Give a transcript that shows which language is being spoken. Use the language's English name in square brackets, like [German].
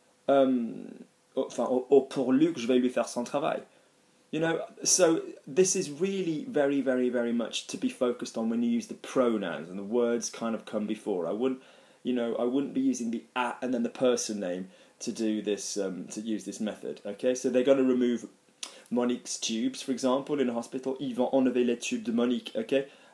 [French] Or pour Luc, je vais lui faire son travail. [English] You know, so this is really very, very, very much to be focused on when you use the pronouns and the words kind of come before. I wouldn't be using the at and then the person name to do this, to use this method, okay? So they're going to remove Monique's tubes, for example, in a hospital. [French] Ils vont enlever les tubes de Monique, okay?